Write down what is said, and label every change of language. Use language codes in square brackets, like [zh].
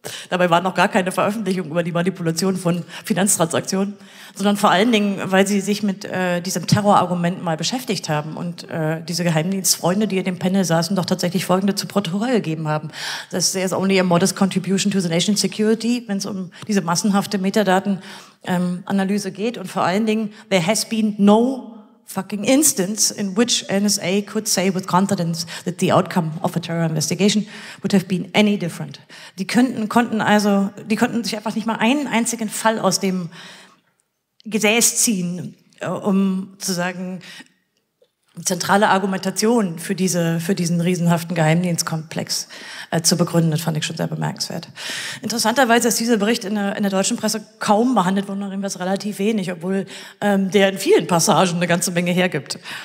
[de] Dabei waren noch gar keine Veröffentlichungen über die Manipulation von Finanztransaktionen, sondern vor allen Dingen, weil sie sich mit diesem Terrorargument mal beschäftigt haben und diese Geheimdienstfreunde, die in dem Panel saßen, doch tatsächlich folgende zu Protokoll gegeben haben. Das ist [en] only a modest contribution to the nation's security, [de] wenn es um diese massenhafte Metadatenanalyse geht. Und vor allen Dingen, [en] there has been no fucking instance in which NSA could say with confidence that the outcome of a terror investigation would have been any different. [de] Die konnten sich einfach nicht mal einen einzigen Fall aus dem Gesäß ziehen, um zu sagen, zentrale Argumentation für diesen riesenhaften Geheimdienstkomplex zu begründen. Das fand ich schon sehr bemerkenswert. Interessanterweise ist dieser Bericht in der deutschen Presse kaum behandelt worden, darin war es relativ wenig, obwohl der in vielen Passagen eine ganze Menge hergibt.